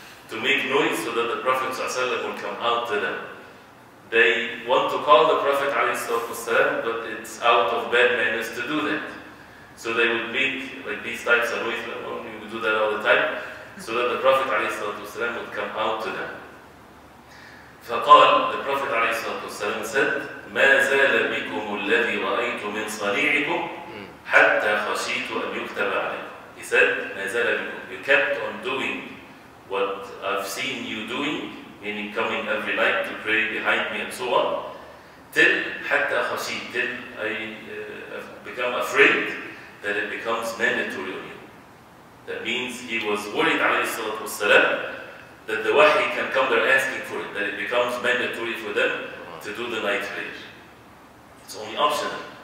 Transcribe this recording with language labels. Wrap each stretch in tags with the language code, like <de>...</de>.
<en>To make noise so that the Prophet ﷺ will come out to them. They want to call the Prophet ﷺ, but it's out of bad manners to do that. So they would make like these types of noise. We would do that all the time. So that the Prophet ﷺ would come out to them.</en> <ar>فقال, the Prophet ﷺ said, مَا زَالَ بِكُمُ الَّذِي رَأَيْتُ مِنْ صَنِيعِكُمْ حَتَّى خَشِيتُ أَنْ يُكْتَبَ عَلَيْكُمْ. He said, نَزَلَ بِكُمْ.</ar> <en>You kept on doing what I've seen you doing, meaning coming every night to pray behind me and so on, till حَتَّى خَشِي, till I become afraid that it becomes mandatory on you. That means he was worried, alayhi salatu wasalam, that the wahi can come there asking for it, that it becomes mandatory for them to do the night prayer. It's only optional.</en>